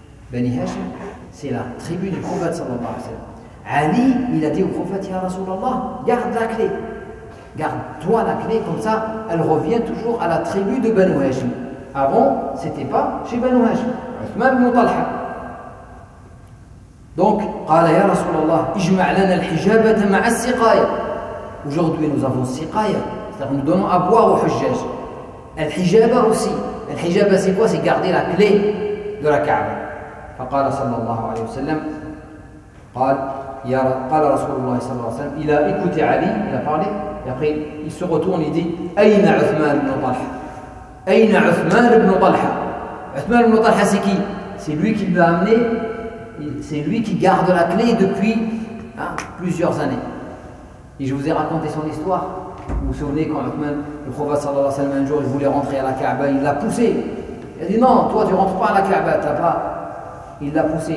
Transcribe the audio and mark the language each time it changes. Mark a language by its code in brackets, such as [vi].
[fr] Bani Hashim, c'est la tribu du prophète sallallahu alayhi wa sallam. Ali, il a dit au prophète, Ya Rasulallah, garde la clé. Garde-toi la clé, comme ça, elle revient toujours à la tribu de Banu Hashim. Avant, ce n'était pas chez Banu Hashim. Uthman ibn Talha. [ar] Donc, قال يا رسول الله اجمع لنا الحجابة مع السقاية. [fr] Aujourd'hui nous avons سقاية, c'est-à-dire nous donnons à boire au حجاج. الحجابة aussi. الحجابة c'est quoi? C'est garder la clé de la Kaaba. [ar] فقال صلى الله عليه وسلم قال رسول الله صلى الله عليه وسلم [fr] il a écouté Ali, il a parlé et après il se retourne, il dit [ar] أين عثمان بن طلحة؟ أين عثمان بن طلحة؟ عثمان بن طلحة [fr] c'est qui? C'est lui qui l'a amené. C'est lui qui garde la clé depuis plusieurs années. Et je vous ai raconté son histoire. Vous vous souvenez quand Uthman, le prophète sallallahu alayhi wa sallam, un jour, il voulait rentrer à la Kaaba, il l'a poussé. Il a dit, non, toi, tu ne rentres pas à la Kaaba, t'as pas. Il l'a poussé.